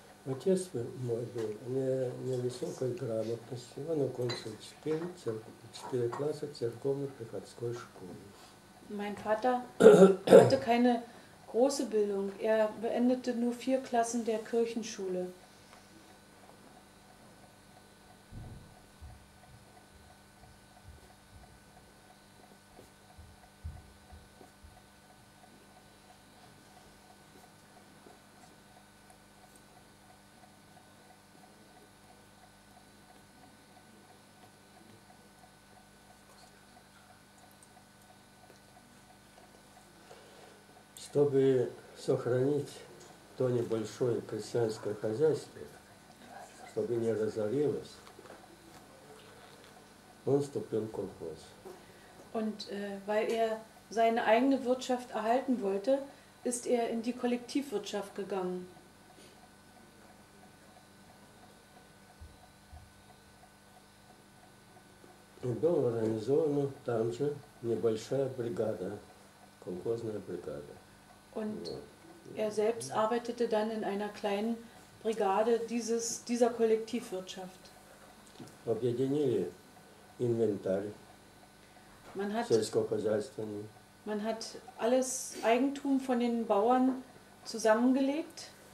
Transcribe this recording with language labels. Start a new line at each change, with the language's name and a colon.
Russian: Отец мой был невысокой грамотности. Он окончил 4 класса церковно-приходской школы.
German: Mein Vater hatte keine große Bildung. Beendete nur 4 Klassen der Kirchenschule.
Russian: Чтобы сохранить то небольшое крестьянское хозяйство, чтобы не разорилось, он вступил в колхоз.
German: Und weil seine eigene Wirtschaft erhalten wollte, ist in die Kollektivwirtschaft gegangen.
Russian: И была организована там же небольшая бригада, колхозная бригада.
German: Und selbst arbeitete dann in einer kleinen Brigade dieser Kollektivwirtschaft.
Russian: объединили инвентарь.
German: Man hat, alles Eigentum von den Bauern zusammengelegt.